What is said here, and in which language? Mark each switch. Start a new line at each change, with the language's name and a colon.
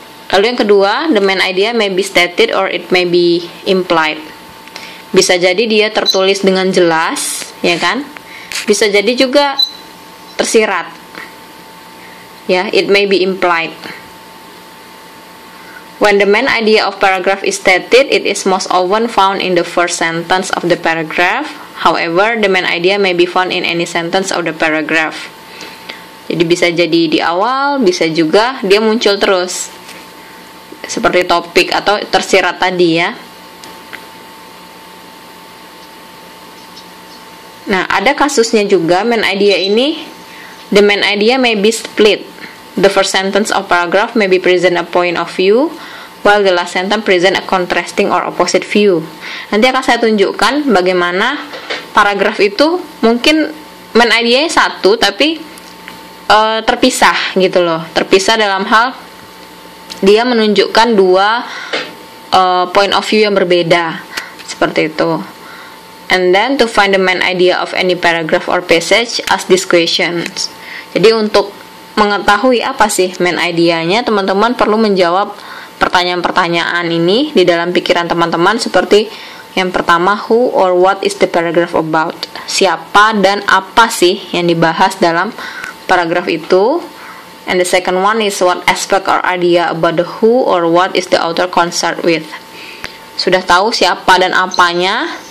Indonesian: Lalu yang kedua,
English: the main idea may be stated or it may be implied.
Indonesian: Bisa jadi dia tertulis dengan jelas, ya kan? Bisa jadi juga tersirat.
English: Ya, yeah, it may be implied. When the main idea of paragraph is stated, it is most often found in the first sentence of the paragraph. However, the main idea may be found in any sentence of the paragraph.
Indonesian: Jadi bisa jadi di awal, bisa juga dia muncul terus. Seperti topik atau tersirat tadi ya. Nah, ada kasusnya juga main idea ini,
English: the main idea may be split. The first sentence of paragraph may be present a point of view, while the last sentence present a contrasting or opposite view.
Indonesian: Nanti akan saya tunjukkan bagaimana paragraf itu mungkin main idea-nya satu, tapi terpisah gitu loh. Terpisah dalam hal dia menunjukkan dua point of view yang berbeda, seperti itu.
English: And then to find the main idea of any paragraph or passage, ask this question.
Indonesian: Jadi untuk mengetahui apa sih main idenya, teman-teman perlu menjawab pertanyaan-pertanyaan ini di dalam pikiran teman-teman, seperti yang pertama,
English: who or what is the paragraph about?
Indonesian: Siapa dan apa sih yang dibahas dalam paragraf itu?
English: And the second one is what aspect or idea about the who or what is the author concerned with?
Indonesian: Sudah tahu siapa dan apanya.